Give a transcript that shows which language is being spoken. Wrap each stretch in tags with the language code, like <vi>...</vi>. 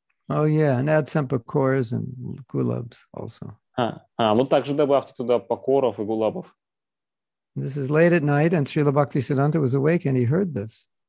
<en>Oh, yeah, and add some pakoras and gulabs also.</en> <ru>Ну также добавьте туда пакоров и гулабов.</ru> <en>This is late at night, and Srila Bhakti Siddhanta was awake, and he heard this.</en>